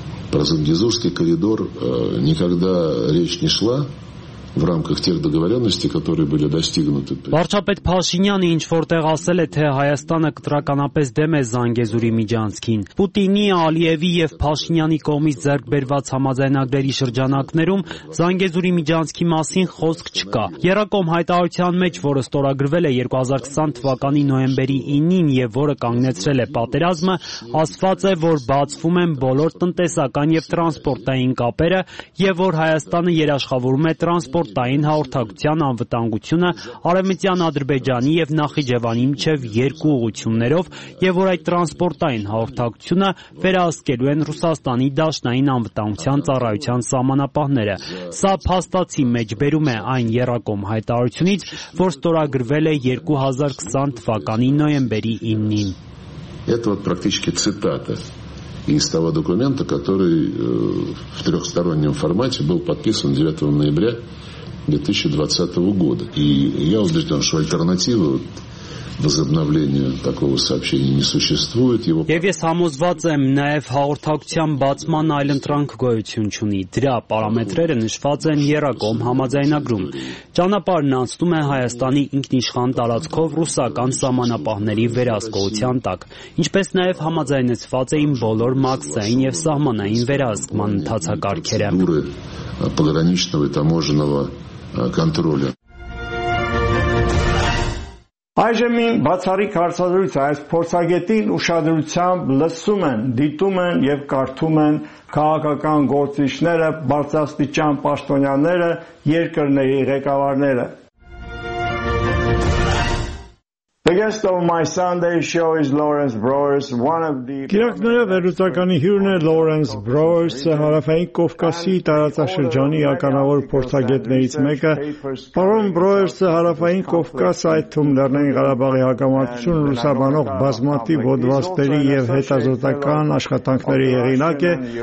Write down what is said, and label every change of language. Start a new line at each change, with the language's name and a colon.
Russian: Про Зангезурский коридор никогда речь не шла в рамках тех договоренностей, которые были достигнуты.
Armenian: Վարչապետ Փաշինյանը ինչ որտեղ ասել է, թե Հայաստանը կտրականապես դեմ է Զանգեզուրի միջանցքին։ Պուտինի, Ալիևի և Փաշինյանի կողմից ձեռք բերված համաձայնագրերի շրջանակներում Զանգեզուրի միջանցքի մասին խոսք չկա։ Երակոմ հայտարարության մեջ, որը ստորագրվել է 2020 թվականի նոյեմբերի 9-ին և որը կանգնեցրել է պատերազմը, ասված է, որ բացվում են բոլոր տնտեսական և տրանսպորտային կապերը և որ Հայաստանը երաշխավորում է տրանսպորտային հաղորդակցության անվտանգությունը Արևմտյան Ադրբեջանի և Նախիջևանի միջև երկու ուղություններով և որ այդ տրանսպորտային հաղորդակցությունը վերահսկելու են Ռուսաստանի Դաշնային անվտանգության ծառայության սահմանապահները։ Սա փաստացի մեջ բերում է այն Երակոմ հայտարարությունից, որ ստորագրվել է 2020 թվականի նոյեմբերի 9-ին։
Russian: Это вот практически цитата из того документа, который в трехстороннем формате был подписан 9 ноября 2020 года. И я убежден, что альтернативы возобновлению такого сообщения не существует.
Armenian: Եվ ես համոզված եմ, նաև հաղորդակցության բացման այլ ընտրանք գոյություն չունի։ Դրա պարամետրերը նշված են Երակոմ համաձայնագրում։ Ճանապարհն անցնում է Հայաստանի ինքնիշխան տարածքով ռուսական սահմանապահների վերահսկողության տակ, ինչպես նաև համաձայնեցված էին բոլոր մաքսային և սահմանային վերահսկման ընթացակարգերը։
Russian: Пограничного и таможенного контроля
Armenian: Այժմ մի բացառիկ հարցազրույց այս փորձագետին ուշադրությամբ լսում են, դիտում են և կարդում են քաղաքական գործիչները, բարձրաստիճան պաշտոնյաները, երկրների ղեկավարները.
English: The guest of my Sunday show is Lawrence Brewers, one of the...
Armenian: Գիրակները վերլուծականի հյուրն է Lawrence Brewers, հարավային Կովկասի տարածաշրջանի ականավոր փորձագետներից մեկը։ Պարոն Brewers-ը հարավային Կովկաս այդում Լեռնային Ղարաբաղի հակամարտություն լուսաբանող բազմաթիվ ոդվաստերի և հետազոտական աշխատանքների հեղինակ է։